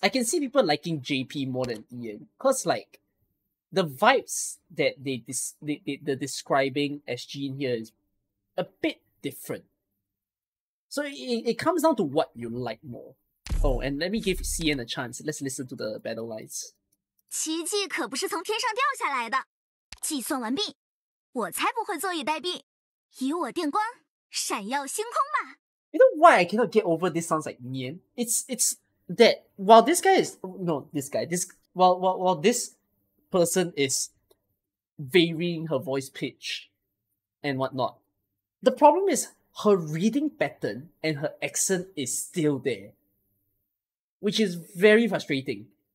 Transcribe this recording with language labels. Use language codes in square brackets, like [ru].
[en] I can see people liking JP more than Ian. Cause like, the vibes that they're describing as Jean here is a bit different. So it comes down to what you like more. Oh, and let me give CN a chance. Let's listen to the battle lines. [zh] 奇迹可不是从天上掉下来的。计算完毕，我才不会坐以待毙。以我电光闪耀星空吧。 [en] You know why I cannot get over this sounds like Nian? It's that while this guy is no this guy this while this person is varying her voice pitch and whatnot, the problem is her reading pattern and her accent is still there, which is very frustrating.